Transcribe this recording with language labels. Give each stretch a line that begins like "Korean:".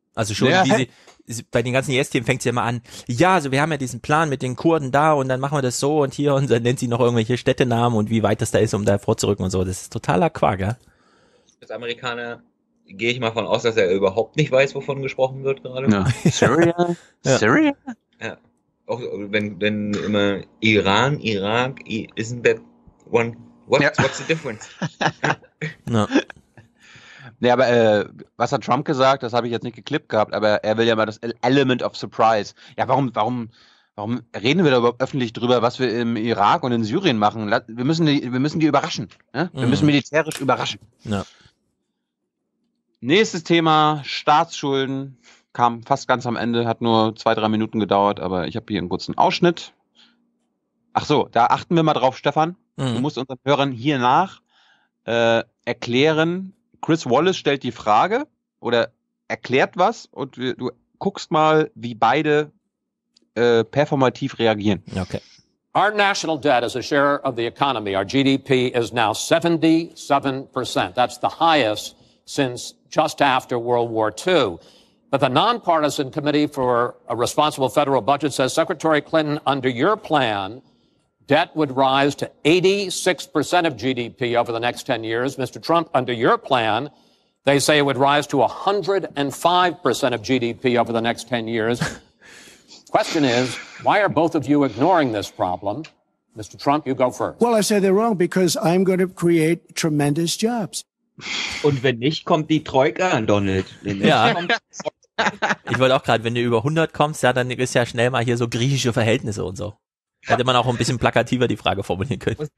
German: Also schon, ja, wie sie, bei den ganzen IS-Themen fängt sie immer an, ja, also wir haben ja diesen Plan mit den Kurden da und dann machen wir das so und hier und dann nennt sie noch irgendwelche Städtenamen und wie weit das da ist, um da vorzurücken und so. Das ist totaler Quark, ja? Als Amerikaner gehe ich mal von aus, dass er überhaupt nicht weiß, wovon gesprochen wird gerade.
English: No. Syria?
German: Ja. Syria? Ja. Auch wenn immer Iran, Irak,
English: isn't that one? What's the difference? No.
German: Nee, aber was hat Trump gesagt? Das habe ich jetzt nicht geklippt gehabt, aber er will ja mal das
English: Element of Surprise.
German: Ja, warum reden wir da überhaupt öffentlich drüber, was wir im Irak und in Syrien machen? Wir müssen die überraschen. Ne? Wir müssen militärisch überraschen. Ja. Nächstes Thema, Staatsschulden. Kam fast ganz am Ende, hat nur 2-3 Minuten gedauert, aber ich habe hier einen kurzen Ausschnitt. Ach so, da achten wir mal drauf, Stefan. Mhm. Du musst unseren Hörern hier nach erklären. Chris Wallace stellt die Frage oder erklärt was und du guckst mal, wie beide performativ reagieren. Okay.
English: Our national debt is a share of the economy. Our GDP is now 77%. That's the highest since just after World War II. But the nonpartisan committee for a responsible federal budget says, Secretary Clinton, under your plan, debt would rise to 86% of GDP over the next 10 years. Mr. Trump, under your plan, they say it would rise to 105% of GDP over the next 10 years. Question is, why are both of you ignoring this problem? Mr. Trump, you go first. Well, I say they're wrong because I'm going to create tremendous jobs.
German: Und wenn nicht, kommt die Troika, Donald. Ja. Ich wollte auch gerade, wenn du über 100 kommst, ja, dann ist ja schnell mal hier so griechische Verhältnisse und so. Hätte man auch ein bisschen plakativer die Frage formulieren können.